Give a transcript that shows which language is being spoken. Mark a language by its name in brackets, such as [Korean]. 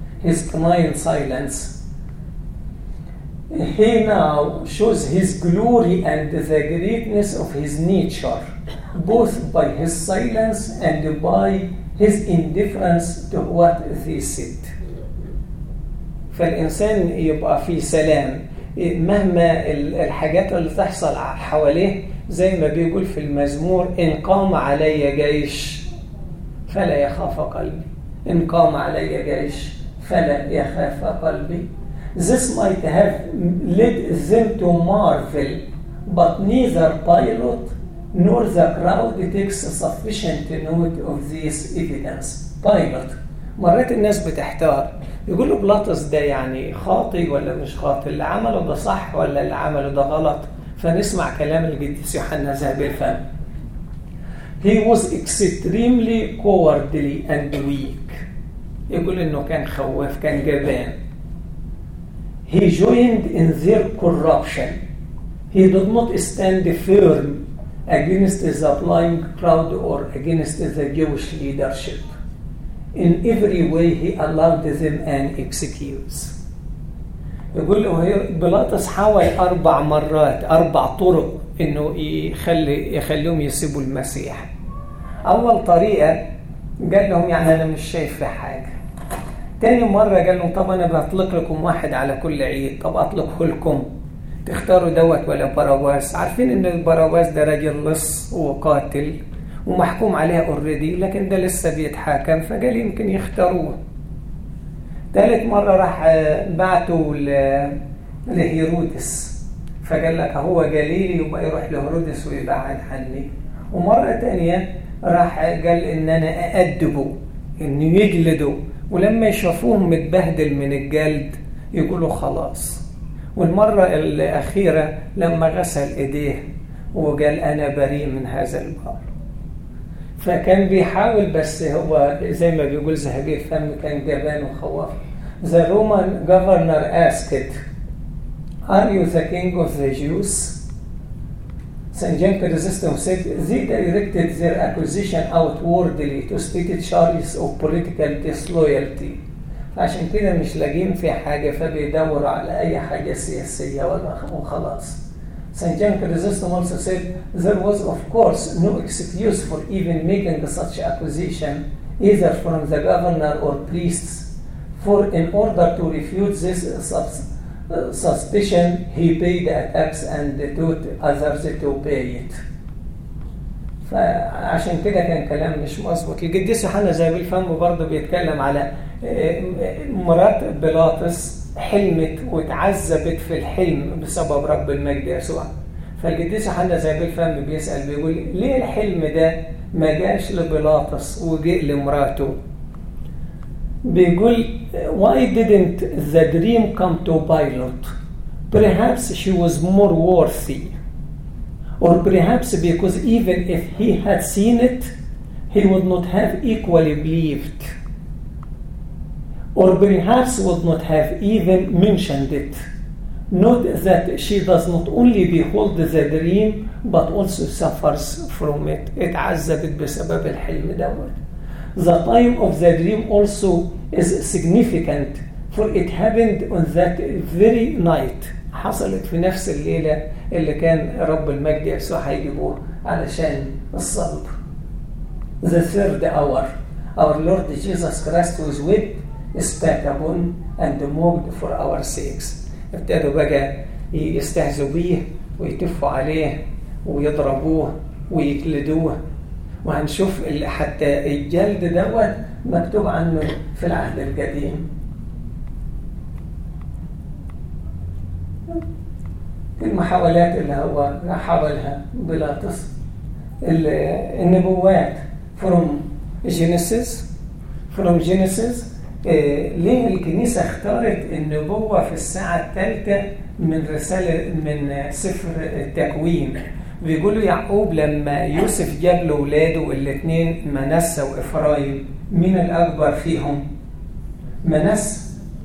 [English] His denying silence. He now shows his glory and the greatness of his nature both by his silence and by his indifference to what they said. [Arabic] فالإنسان يبقى في سلام مهما الحاجات اللي تحصل حواليه، زي ما بيقول في المزمور إن قام علي جيش فلا يخاف قلبي، إن قام علي جيش فلا يخاف قلبي. [English] This might have led them to marvel, but neither Pilate nor the crowd takes sufficient note of this evidence. Pilate. [Arabic] مرات الناس بتحتار، يقول له بلاطس ده يعني خاطي ولا مش خاطي، اللي عمله ده صح ولا اللي عمله ده غلط. فنسمع كلام القديس يوحنا ذهبي الفم. [English] He was extremely cowardly and weak. [Arabic] يقول انه كان خواف، كان جبان. [English] He joined in their corruption. He did not stand firm against the applying crowd or against the Jewish leadership. In every way he allowed them an excuse. [Arabic] يقول له بيلاطس حاول أربع مرات، أربع طرق إنه يخليهم يسيبوا المسيح. أول طريقة قال لهم يعني أنا مش شايف في حاجة. تاني مرة قال لهم طب أنا بأطلق لكم واحد على كل عيد، طب أطلقه لكم تختاروا دوت ولا براواس. عارفين إن براواس ده راجل لص وقاتل ومحكوم عليها اوريدي، لكن ده لسه بيتحاكم، فقال يمكن يختاروه. تالت مره راح بعته لهيرودس، فقال لك هو جليلي وبقى يروح لهيرودس ويبعد عني. ومره تانيه راح قال ان انا اقدبه، انه يجلده، ولما يشوفوه متبهدل من الجلد يقولوا خلاص. والمره الاخيره لما غسل ايديه وقال انا بريء من هذا البار. فكان بيحاول، بس هو زي ما بيقول ذهبي الفم كان جبان وخواف. [English] The Roman governor asked, "Are you the king of the Jews?" Saint John Chrysostom said, "They directed their accusation outwardly to state charges of political disloyalty." [Arabic] عشان كده مش لاقين في حاجة فبيدوروا على أي حاجة سياسية وخلاص. [English] Saint John Chrysostom also said, "There was of course no excuse for even making such accusation, either from the governor or priests. For in order to refute this suspicion, he paid a tax and taught others to pay it." [Arabic] فعشان كده كان كلام مش مظبوط. القديس يوحنا زي بالفم برضه بيتكلم على مرات بيلاطس حلمت وتعذبت في الحلم بسبب رب المجد يسوع. فالقديس يوحنا زي بالفم بيسأل بيقول ليه الحلم ده ما جاش لبيلاطس وجاء لمراته؟ بيقول [English] why didn't the dream come to Pilate? Perhaps she was more worthy. Or perhaps because even if he had seen it, he would not have equally believed. Or perhaps would not have even mentioned it. Note that she does not only behold the dream, but also suffers from it. [Arabic] اتعذبت بسبب الحلم دوت. [English] The time of the dream also is significant, for it happened on that very night. [Arabic] حصلت في نفس الليلة اللي كان رب المجد يسوع هيجيبوه علشان الصلب. [English] The third hour, our Lord Jesus Christ was whipped, spat upon, and mocked for our sakes. [Arabic] ابتدوا بقى يستهزوا بيه ويتفوا عليه ويضربوه ويجلدوه. وهنشوف حتى الجلد دوت مكتوب عنه في العهد القديم. المحاولات اللي هو حاولها بيلاطس. النبوات [English] from Genesis. From Genesis. [Arabic] ليه الكنيسة اختارت النبوة في الساعة الثالثة من رسالة من سفر التكوين؟ بيقولوا يعقوب لما يوسف جاب له ولاده الاثنين منسى وإفرايم، مين الأكبر فيهم؟ منسى.